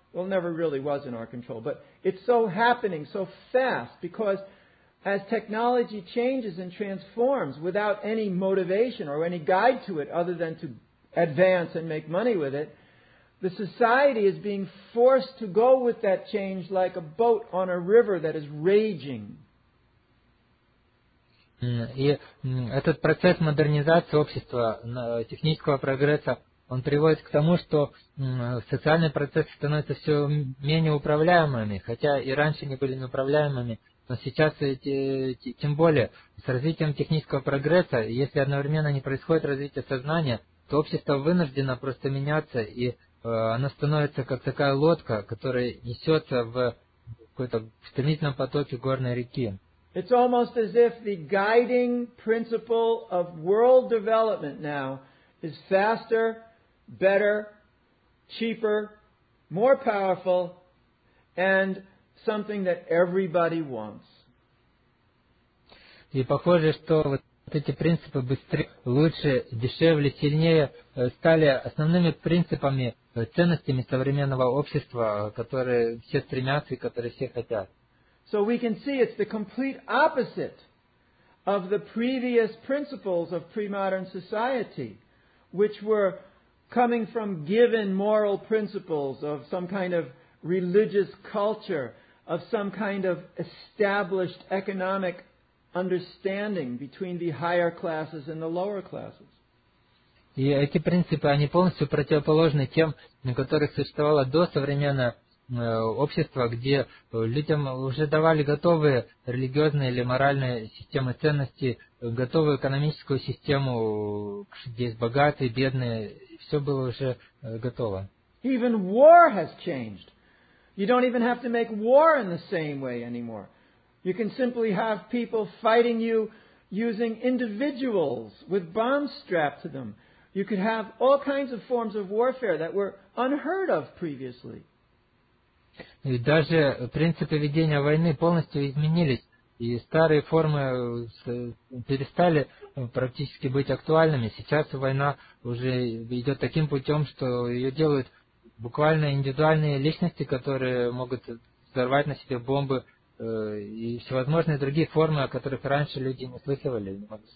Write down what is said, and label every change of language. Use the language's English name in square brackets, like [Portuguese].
[English] Never really was in our control, but it's so happening so fast because as technology changes and transforms without any motivation or any guide to it other than to advance and make money with it, the society is being forced to go with that change like a boat on a river that is raging. [Russian] И этот процесс модернизации общества, технического прогресса, он приводит к тому, что социальные процессы становятся все менее управляемыми, хотя и раньше они были неуправляемыми, но сейчас тем более с развитием технического прогресса, если одновременно не происходит развитие сознания, то общество вынуждено просто меняться, и оно становится как такая лодка, которая несется в какой-то стремительном потоке горной реки. [English] It's almost as if the guiding principle of world development now is faster, better, cheaper, more powerful, and something that everybody wants. [Russian] И похоже, что вот эти принципы быстрее, лучше, дешевле, сильнее стали основными принципами, ценностями современного общества, которые все стремятся и которые все хотят. [English] So we can see it's the complete opposite of the previous principles of pre-modern society, which were coming from given moral principles of some kind of religious culture, of some kind of established economic understanding between the higher classes and the lower classes. [Russian] И эти принципы, они полностью противоположны тем, на которых существовало до современного общества, где людям уже давали готовые религиозные или моральные системы ценностей, готовую экономическую систему, где есть богатые, бедные, все было уже готово. [English] Even war has changed. You don't even have to make war in the same way anymore. You can simply have people fighting you using individuals with bombs strapped to them. You could have all kinds of forms of warfare that were unheard of previously. [Russian] И даже принципы ведения войны полностью изменились, и старые формы перестали практически быть актуальными. Сейчас война уже идет таким путем, что ее делают буквально индивидуальные личности, которые могут взорвать на себе бомбы и всевозможные другие формы, о которых раньше люди не слышали.